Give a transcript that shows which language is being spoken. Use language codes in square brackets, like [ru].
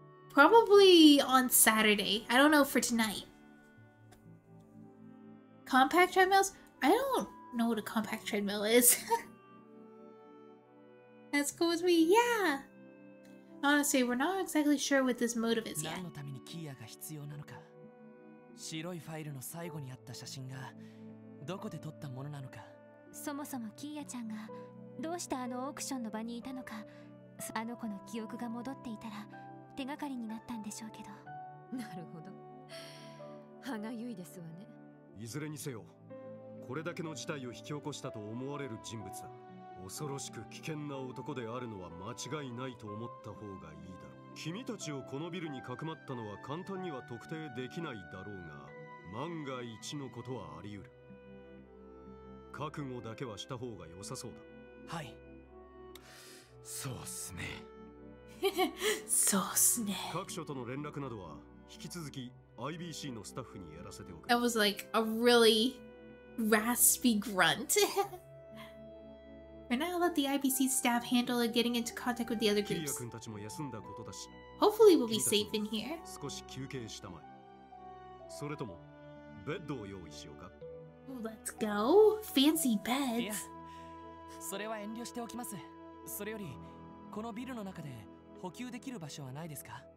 [en] Probably on Saturday. I don't know for tonight. Compact treadmills? I don't know what a compact treadmill is. That's cool with me, yeah! Honestly, we're not exactly sure what this motive is yet. [ja] 何のためにキーヤが必要なのか。白いファイルの最後にあった写真がどこで撮ったものなのか。そもそもキーヤちゃんがどうしてあのオークションの場にいたのか、あの子の記憶が戻っていたら手がかりになったんでしょうけど。なるほど。歯がゆいですわね。いずれにせよ、これだけの事態を引き起こしたと思われる人物は恐ろしく危険な男であるのは間違いないと思った方がいいだろう。君たちをこのビルにかくまったのは簡単には特定できないだろうが、万が一のことはあり得る。覚悟だけはした方が良さそうだ。はい。そうっすね。そうっすね。各所との連絡などは引き続き IBC のスタッフにやらせておく。 [en] That was like a really raspy grunt. For now, let the IBC staff handle it getting into contact with the other groups. [ja] キーヤ君たちも休んだことだし。 [en] Hopefully we'll be safe in here. [ja] 少し休憩したまえ。それともベッドを用意しようか。 [en] Let's go. Fancy beds. Yeah. [ja] それは遠慮しておきます。それより、このビルの中で補給できる場所はないですか？